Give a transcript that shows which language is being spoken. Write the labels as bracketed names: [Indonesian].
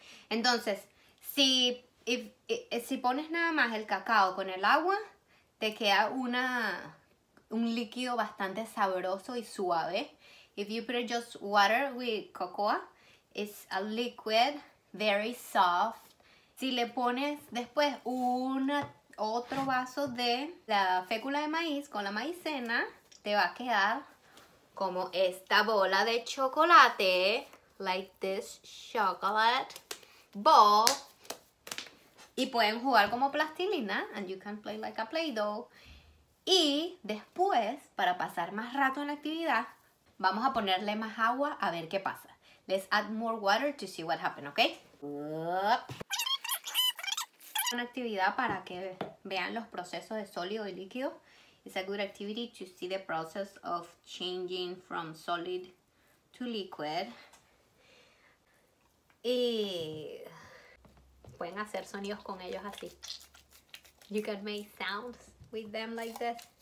[Spanish] Entonces, si pones nada más el cacao con el agua, te queda un líquido bastante sabroso y suave. [English] If you put just water with cocoa, it's a liquid, very soft. [Spanish] Si le pones después otro vaso de la fécula de maíz con la maicena, te va a quedar como esta bola de chocolate, [English] like this chocolate ball, [Spanish] y pueden jugar como plastilina, [English] and you can play like a Play-Doh. [Spanish] Y después, para pasar más rato en la actividad, vamos a ponerle más agua a ver qué pasa. [English] Let's add more water to see what happened, ¿ok? [Spanish] Una actividad para que vean los procesos de sólido y líquido. [English] It's a good activity to see the process of changing from solid to liquid. [Spanish] Y pueden hacer sonidos con ellos así. [English] You can make sounds with them like this.